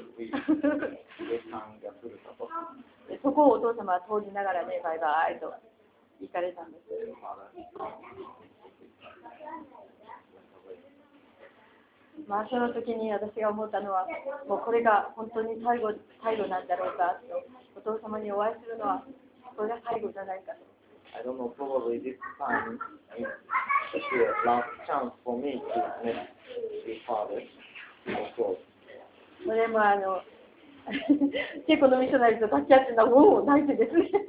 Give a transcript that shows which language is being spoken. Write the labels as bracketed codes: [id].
[ja] で、そこをお父様は通りながらね、バイバイと行かれたんです。まあ、その時に私が思ったのは、もうこれが本当に最後なんだろうかと、お父様にお会いするのはこれが最後じゃないかと。 [en] I don't know, probably this time is the last chance for me to meet your father. [ja] それもあのチェコのミッショナリーと立ち会ってたのを泣いてですね。